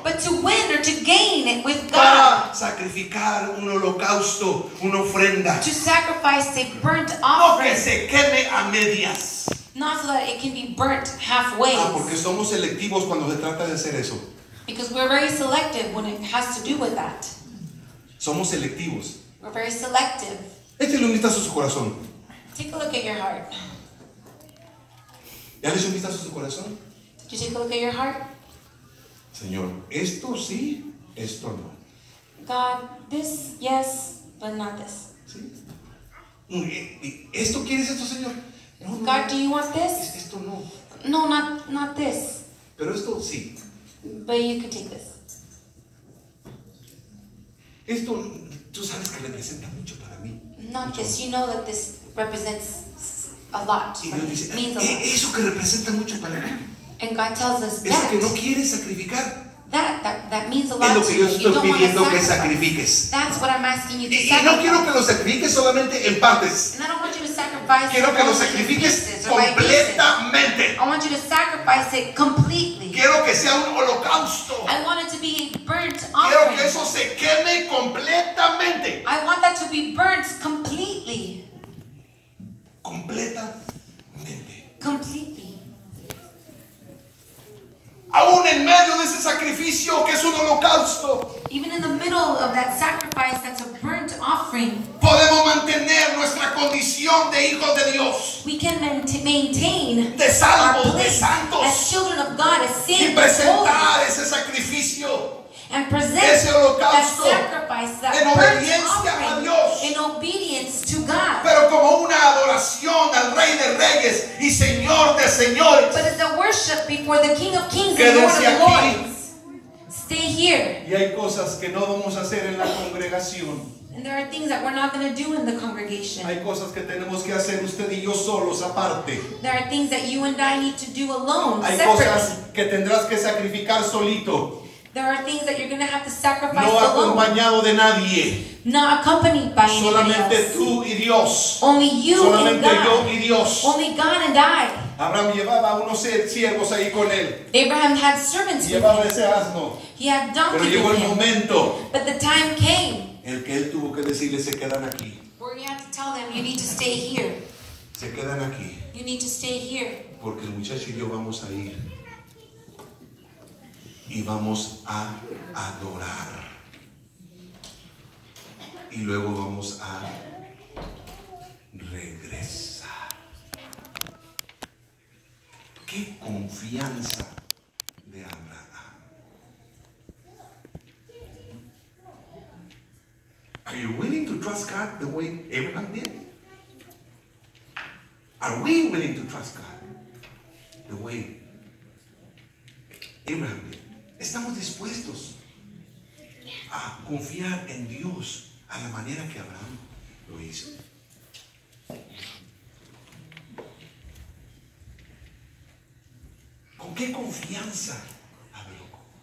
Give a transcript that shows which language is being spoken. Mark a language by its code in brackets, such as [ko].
[en] but to win or to gain it with God. [es] Para sacrificar un holocausto, una ofrenda, [en] to sacrifice a burnt offering. [es] No que se queme a medias. [en] Not so that it can be burnt halfway. [es] Ah, porque somos selectivos cuando se trata de hacer eso. [en] Because we're very selective when it has to do with that. [es] Somos selectivos. [en] We're very selective. [es] Échale un vistazo a su corazón. [en] Take a look at your heart. [es] ¿Ya le echó un vistazo a su corazón? [en] Did you take a look at your heart? [es] Señor, esto sí, esto no. [en] God, this yes, but not this. [es] ¿Sí? ¿Esto quieres esto, Señor? [en] No, no, God, no. Do you want this? [es] Esto no. [en] No, not this. [es] Pero esto sí. [en] But you can take this. [es] Esto, tú sabes que representa mucho para mí. [en] Not this, you know that this represents a lot. Means a lot. [es] Eso que representa mucho para mí. [en] And God tells us [es] eso que no quieres sacrificar. [en] That means a lot to you. [es] Es lo que yo estoy pidiendo que sacrifiques. [en] That's what I'm asking you to sacrifice. [es] Y no quiero que lo sacrifiques solamente en partes. [en] And I don't want you to sacrifice. [es] Quiero que lo sacrifiques completamente. [en] I want you to sacrifice it completely. [es] Quiero que sea un holocausto. [en] I want it to be burnt offering. [es] Quiero que eso se queme completamente. [en] I want that to be burnt completely. [es] Completamente. [en] Completely. [es] Aún en medio de ese sacrificio que es un holocausto, [en] even in the middle of that sacrifice that's a burnt offering, [es] podemos mantener nuestra condición de hijos de Dios. [en] We can maintain [es] de salvos, de santos, [en] as children of God, as saints, [es] y presentar ese sacrificio, [en] and present [es] ese holocausto, [en] that sacrifice, that [es] en obediencia a Dios, [en] in obedience to God, [es] pero como una adoración al Rey de Reyes y Señor de Señores. [en] But as a worship before the King of Kings and Lord of Lords. Stay here. [es] Y hay cosas que no vamos a hacer en la congregación. [en] And there are things that we're not going to do in the congregation. [es] Hay cosas que tenemos que hacer usted y yo solos aparte. [en] There are things that you and I need to do alone. [es] Hay [en] separately. [es] Cosas que tendrás que sacrificar solito. [en] There are things that you're going to have to sacrifice alone. [es] No acompañado [en] alone. [es] De nadie. [en] Not accompanied by anybody. [es] Solamente [en] else. [es] Tú y Dios. [en] Only you [es] solamente [en] and God. [es] Solamente yo y Dios. [en] Only God and I. [es] Abraham llevaba unos siervos ahí con él. [en] Abraham had servants [es] llevaba [en] with him. [es] Llevaba ese asno. [en] He had donkey. [es] Pero llegó [en] with [es] el momento. [en] But the time came. [es] El que él tuvo que decirle se quedan aquí. [en] Where he had to tell them you need to stay here. [es] Se quedan aquí. [en] You need to stay here. [es] Porque el muchacho y yo vamos a ir. Y vamos a adorar. Y luego vamos a regresar. ¡Qué confianza de Abraham! [en] Are you willing to trust God the way Abraham did? Are we willing to trust God the way Abraham did? [es] ¿Estamos dispuestos a confiar en Dios a la manera que Abraham lo hizo? ¿Con qué confianza habló?